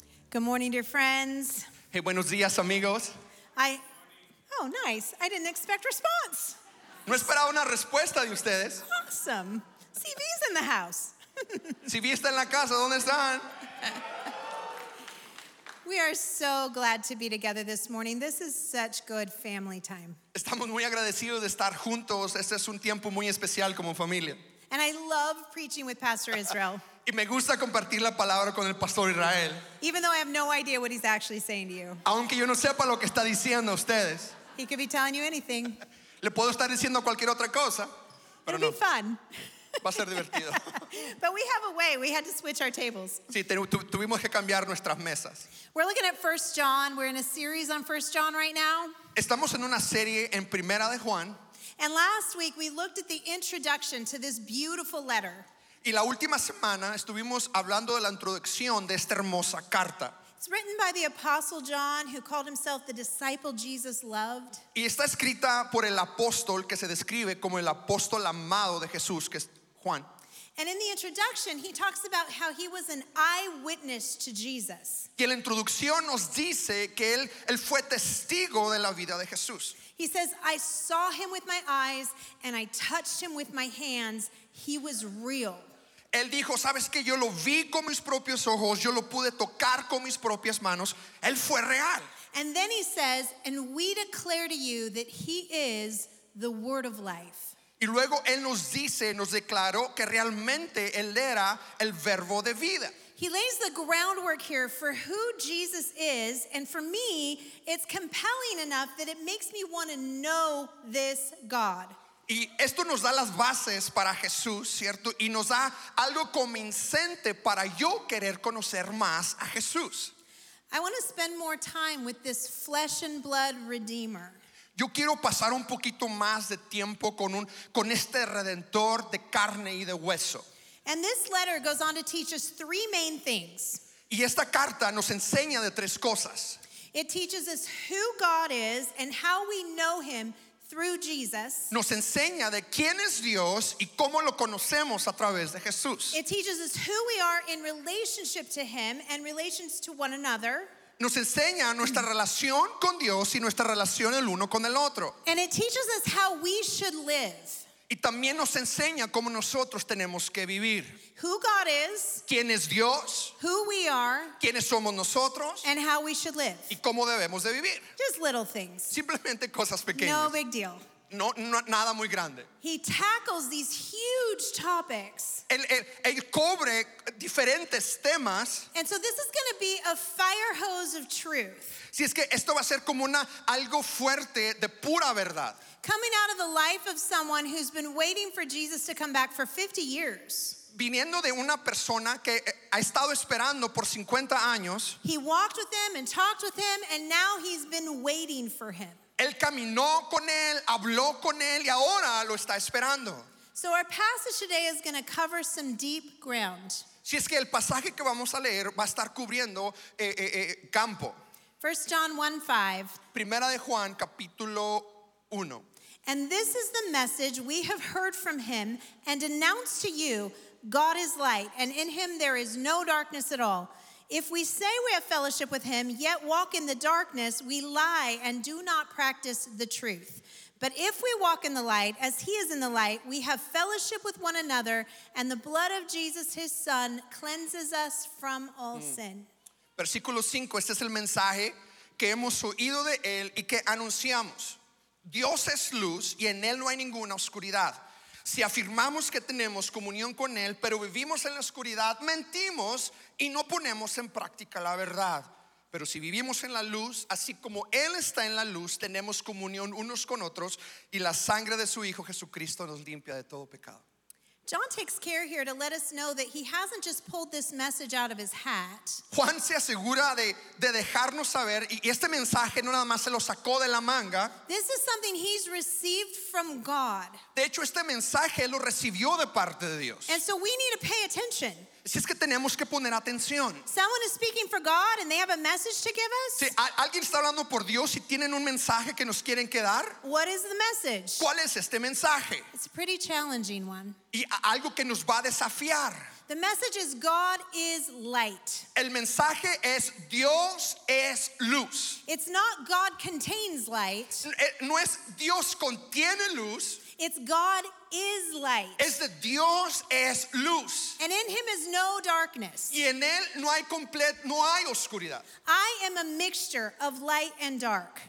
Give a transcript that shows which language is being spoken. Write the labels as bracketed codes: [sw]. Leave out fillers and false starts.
[en] Good morning, dear friends. [es] Hey, buenos días, amigos. [en] Oh, nice. I didn't expect response. [es] No esperaba una respuesta de ustedes. [en] Awesome. CB's in the house. [es] CB está en la casa. ¿Dónde están? [en] We are so glad to be together this morning. This is such good family time. [es] Estamos muy agradecidos de estar juntos. Este es un tiempo muy especial como familia. [en] And I love preaching with Pastor Israel. [es] Y me gusta compartir la palabra con el Pastor Israel. [en] Even though I have no idea what he's actually saying to you. [es] Aunque yo no sepa lo que está diciendo a ustedes. [en] He could be telling you anything. [es] Le puedo estar diciendo cualquier otra cosa. Pero [en] it'll no. Be fun. [es] Va a ser divertido. [en] But we have a way. We had to switch our tables. [es] Sí, tuvimos que cambiar nuestras mesas. [en] We're looking at 1 John. We're in a series on 1 John right now. [es] Estamos en una serie en Primera de Juan. [en] And last week we looked at the introduction to this beautiful letter. [es] Y la última semana estuvimos hablando de la introducción de esta hermosa carta. [en] It's written by the Apostle John, who called himself the disciple Jesus loved. [es] Y está escrita por el apóstol que se describe como el apóstol amado de Jesús, que es Juan. [en] And in the introduction, he talks about how he was an eyewitness to Jesus. [es] Y la introducción nos dice que él fue testigo de la vida de Jesús. [en] He says, I saw him with my eyes and I touched him with my hands. He was real. [es] Él dijo, ¿sabes qué? Yo lo vi con mis propios ojos. Yo lo pude tocar con mis propias manos. Él fue real. [en] And then he says, and we declare to you that he is the word of life. [es] Y luego él nos dice, nos declaró que realmente él era el verbo de vida. [en] He lays the groundwork here for who Jesus is, and for me, it's compelling enough that it makes me want to know this God. [es] Y esto nos da las bases para Jesús, ¿cierto? Y nos da algo convincente para yo querer conocer más a Jesús. [en] I want to spend more time with this flesh and blood Redeemer. [es] Yo quiero pasar un poquito más de tiempo con este Redentor de carne y de hueso. [en] And this letter goes on to teach us three main things. [es] Y esta carta nos enseña de tres cosas. [en] It teaches us who God is and how we know him through Jesus. [es] Nos enseña de quién es Dios y cómo lo conocemos a través de Jesús. [en] It teaches us who we are in relationship to him and relations to one another. [es] Nos enseña nuestra relación con Dios y nuestra relación el uno con el otro. [en] And it teaches us how we should live. [es] Y también nos enseña cómo nosotros tenemos que vivir. [en] Who God is. [es] ¿Quién es Dios? [en] Who we are. [es] ¿Quiénes somos nosotros? [en] And how we should live. [es] ¿Y cómo debemos de vivir? [en] Just little things. [es] Simplemente cosas pequeñas. [en] No big deal. [es] No, nada muy grande. [en] He tackles these huge topics. [es] Él cubre diferentes temas. [en] And so this is going to be a fire hose of truth. [es] Si es que esto va a ser como algo fuerte de pura verdad. [en] Coming out of the life of someone who's been waiting for Jesus to come back for 50 years. [es] Viniendo de una persona que ha estado esperando por 50 años. [en] He walked with him and talked with him, and now he's been waiting for him. [es] Él caminó con él, habló con él, y ahora lo está esperando. [en] So our passage today is going to cover some deep ground. [es] Si es que el pasaje que vamos a leer va a estar cubriendo campo. [en] 1 John 1:5. [es] Primera de Juan, capítulo 1. [en] And this is the message we have heard from him and announced to you, God is light, and in him there is no darkness at all. If we say we have fellowship with him, yet walk in the darkness, we lie and do not practice the truth. But if we walk in the light, as he is in the light, we have fellowship with one another, and the blood of Jesus, his son, cleanses us from all sin. [es] Versículo 5, este es el mensaje que hemos oído de él y que anunciamos. Dios es luz y en él no hay ninguna oscuridad. Si afirmamos que tenemos comunión con él, pero vivimos en la oscuridad, mentimos y no ponemos en práctica la verdad. Pero si vivimos en la luz, así como él está en la luz, tenemos comunión unos con otros y la sangre de su Hijo Jesucristo nos limpia de todo pecado. [en] John takes care here to let us know that he hasn't just pulled this message out of his hat. [es] Juan se asegura de dejarnos saber, y este mensaje no nada más se lo sacó de la manga. [en] This is something he's received from God. [es] De hecho, este mensaje lo recibió de parte de Dios. [en] And so we need to pay attention. [es] Si es que tenemos que poner atención. [en] Someone is speaking for God and they have a message to give us. [es] Si alguien está hablando por Dios y tienen un mensaje que nos quieren quedar. [en] What is the message? [es] ¿Cuál es este mensaje? [en] It's a pretty challenging one. [es] Y algo que nos va a desafiar. [en] The message is God is light. [es] El mensaje es Dios es luz. [en] It's not God contains light. [es] No es Dios contiene luz. [en] It's God is light. [es] Es de Dios es luz. [en] And in him is no darkness. [es] Y en él no hay completo, no hay oscuridad. [en] I am a mixture of light and dark.